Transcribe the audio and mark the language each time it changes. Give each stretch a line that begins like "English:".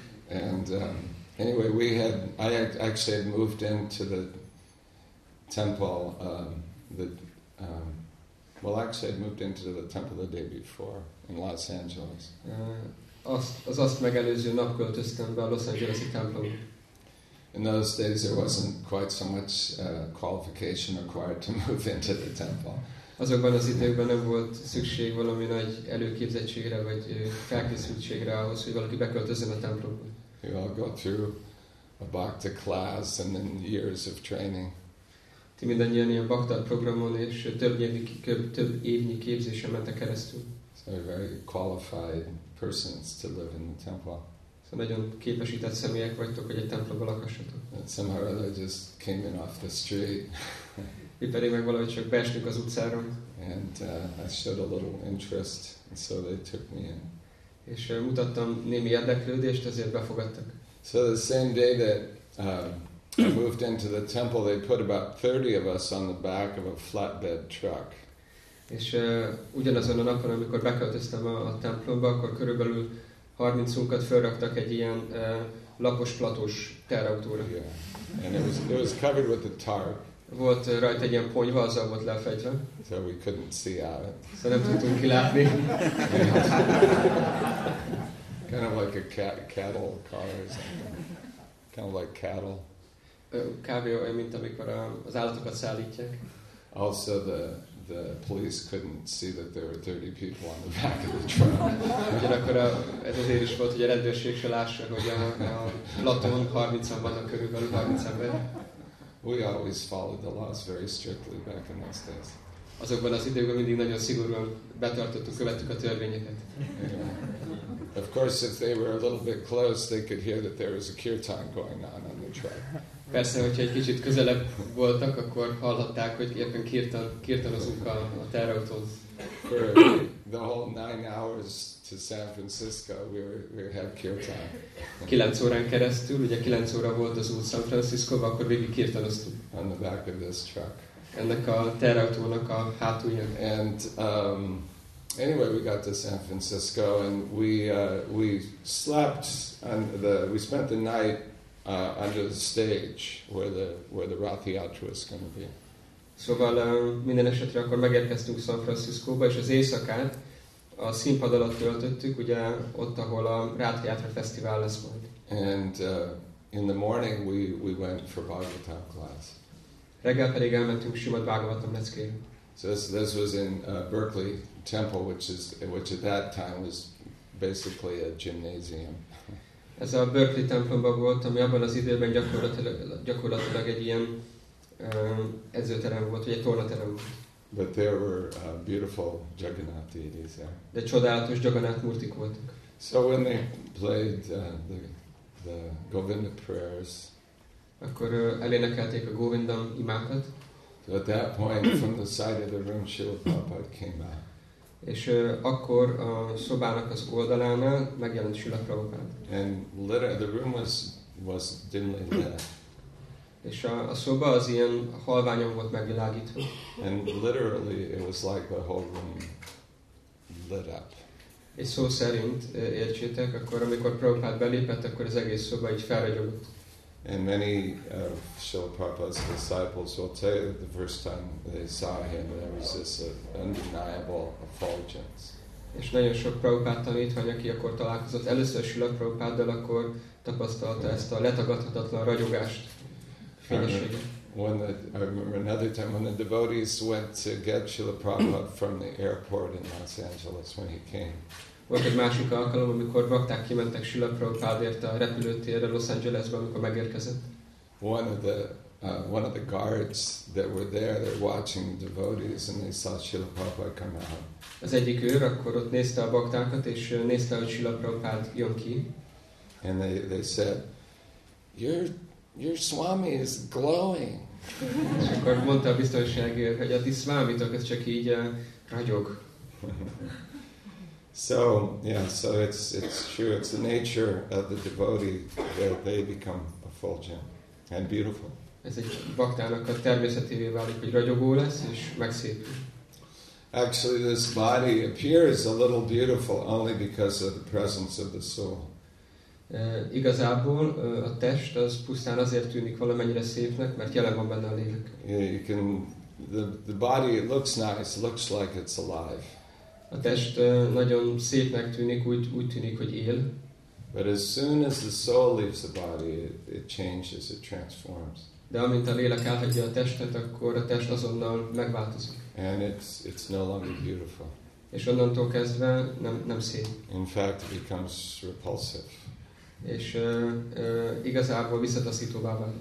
English: And anyway, we had, I had actually had moved into the temple, the day before in Los Angeles.
Hungarian: Azt megelőző nap költöztem be a Los Angeles-i templomba.
English: In those days there wasn't quite so much qualification required to move into the temple.
Hungarian: Azokban az időkben nem volt szükség valami nagy előképzettségre vagy felkészültségre ahhoz, hogy valaki beköltözzön a templomba.
English: You all go through a bhakta class and then years of training.
Hungarian: Ti mindannyian ilyen bhakta programon és több évnyi képzésen mentek keresztül.
English: So very qualified persons to live in the temple.
Hungarian: So nagyon képesített személyek vagytok, hogy egy templomba lakassatok.
English: And somehow they just came in off the street.
Hungarian: Mi pedig meg valahogy csak beestünk az utcára.
English: And I showed a little interest, and so they took me in.
Hungarian: És mutattam némi érdeklődést, ezért befogadtak.
English: So the same day that I moved into the temple, they put about 30 of us on the back of a flatbed truck.
Hungarian: És ugyanazon a napon, amikor beköltöztem a templomba, akkor körülbelül 30-unkat felraktak egy ilyen lapos platós terautóra.
English: Yeah. And it was covered with a tarp.
Hungarian: Volt rajta egy ilyen ponyva, azzal volt lefedve.
English: So we couldn't see out it.
Hungarian: So nem tudtunk kilátni.
English: Kind of like a cattle car or something. Kind of like cattle.
Hungarian: Kb. Olyan, mint amikor az állatokat szállítják.
English: Also the police couldn't see that there were 30 people on the back of the truck.
Hungarian: Ugyanakkor ez azért is volt, hogy a rendőrség se lássa, hogy a platón 30-an vannak körülbelül 30 ember.
English: We always followed the laws very strictly back in those days.
Hungarian: Azokban az időkben mindig nagyon szigorúan betartottuk, követtük a törvényeket.
English: Yeah. Of course, if they were a little bit close, they could hear that there was a kirtan going on the track.
Hungarian: Persze, hogyha egy kicsit közelebb voltak, akkor hallhatták, hogy éppen kirtanozunk a terautót.
English: For the whole 9 hours to San Francisco, we had kirtan.
Hungarian: 9 órán keresztül, ugye 9 óra volt az út San Francisco-ba, akkor végig kirtanoztuk.
English: On the back of this truck.
Hungarian: Ennek a terautónak a hátulján.
English: And anyway, we got to San Francisco, and we spent the night under the stage where the Rath Yatra was going to be.
Hungarian: Szóval minden esetre akkor megérkeztünk San Francisco-ba, és az éjszakát a színpad alatt töltöttük, ugye ott, ahol a Rath Yatra fesztivál lesz majd.
English: And in the morning we went for Bhagavatam class.
Hungarian: Reggel pedig elmentünk Srimad Bhagavatam leckére.
English: So this was in Berkeley Temple, which at that time was basically a gymnasium.
Hungarian: Ez a Berkeley templomban volt, ami abban az időben gyakorlatilag egy ilyen edzőterem volt, vagy egy tornaterem volt.
English: But there were beautiful Jagannath deities there.
Hungarian: De csodálatos Jagannath murtik voltak.
English: So when they played the Govinda prayers,
Hungarian: akkor elénekelték a Govindam imákat.
English: So at that point, from the side of the room, Srila Prabhupada came out.
Hungarian: És akkor a szobának az oldalánál megjelent Srila Prabhupada.
English: And the room was dimly lit.
Hungarian: És a szoba az ilyen halványon volt megvilágítva.
English: And literally it was like the whole room lit up.
Hungarian: És szó szerint, értsétek, akkor amikor Prabhupada belépett, akkor az egész szoba így felragyogott.
English: And many of Srila Prabhupada's disciples will tell you that the first time they saw him, there was this undeniable effulgence.
Hungarian: És nagyon sok Prabhupada tanítvány, aki akkor találkozott először Srila Prabhupáddal, akkor tapasztalta ezt a letagadhatatlan ragyogást.
English: I remember another time when the devotees went to get Srila Prabhupada from the airport in Los Angeles when he came.
Hungarian: Volt egy másik alkalom, amikor bakták kimentek Srila Prabhupádért a repülőtérre Los Angelesbe, amikor megérkezett.
English: One of the guards that were there, they're watching the devotees, and they saw Srila Prabhupada come out.
Hungarian: Az egyik őr akkor ott nézte a baktákat, és nézte, hogy Srila Prabhupád jön ki.
English: And they said, your Swami is glowing.
Hungarian: És akkor mondta a biztonsági őr, hogy a ti Swamitok, ez csak így ragyog.
English: So yeah, so it's true. It's the nature of the devotee that they become effulgent and beautiful.
Hungarian: Ez egy baktának a természetévé válik, hogy ragyogó lesz és megszépül.
English: Actually, this body appears a little beautiful only because of the presence of the soul.
Hungarian: Igazából a test az pusztán azért tűnik valamennyire szépnek, mert jelen van benne a lélek.
English: You can, the body looks nice, looks like it's alive.
Hungarian: A test nagyon szépnek tűnik, úgy tűnik, hogy él.
English: But as soon as the soul leaves the body, it changes, it transforms.
Hungarian: De amint a lélek elhagyja a testet, akkor a test azonnal megváltozik.
English: And it's no longer beautiful.
Hungarian: És onnantól kezdve nem szép.
English: In fact, it becomes repulsive.
Hungarian: És igazából visszataszítóvá vált.